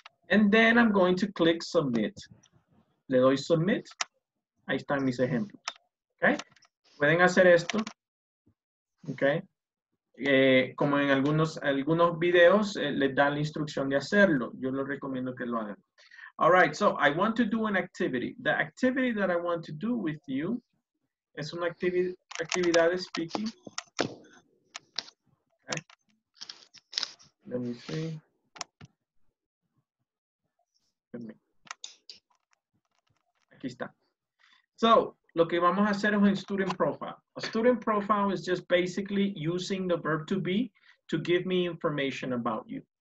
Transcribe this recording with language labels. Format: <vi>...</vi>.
<en>And then I'm going to click submit.</en> <es>Le doy submit. Ahí están mis ejemplos. Okay? Pueden hacer esto. Okay. Como en algunos videos, les da la instrucción de hacerlo. Yo lo recomiendo que lo hagan.</es> <en>All right, so I want to do an activity. The activity that I want to do with you is</en> <es>una actividad de speaking.</es> <en>Okay. Let me see.</en> <es>Aquí está. So, lo que vamos a hacer es un student profile.</es> <en>A student profile is just basically using the verb to be to give me information about you.</en>